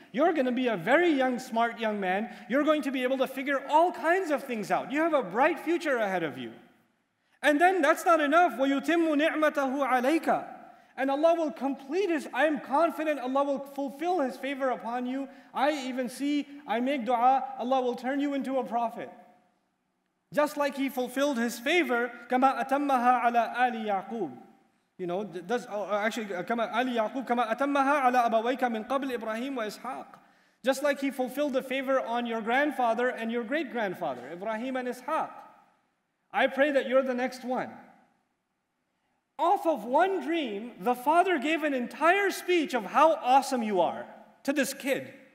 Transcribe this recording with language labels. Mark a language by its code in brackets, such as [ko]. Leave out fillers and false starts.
[en] You're going to be a very young, smart young man. You're going to be able to figure all kinds of things out. You have a bright future ahead of you. And then that's not enough. [ar] وَيُتِمُّ نِعْمَتَهُ عَلَيْكَ. [en] And Allah will complete His, I am confident Allah will fulfill His favor upon you. I even see, I make dua, Allah will turn you into a prophet. Just like He fulfilled His favor, [ar] كَمَا أَتَمَّهَا عَلَى آلِ يَعْقُوبِ. [en] You know, [ar] كَمَا آلِ يَعْقُوبِ كَمَا أَتَمَّهَا عَلَى أَبَوَيْكَ مِنْ قَبْلِ إِبْرَاهِيمُ وَإِسْحَاقِ. [en] Just like He fulfilled the favor on your grandfather and your great-grandfather, Ibrahim and Ishaq. I pray that you're the next one. Off of one dream, the father gave an entire speech of how awesome you are to this kid.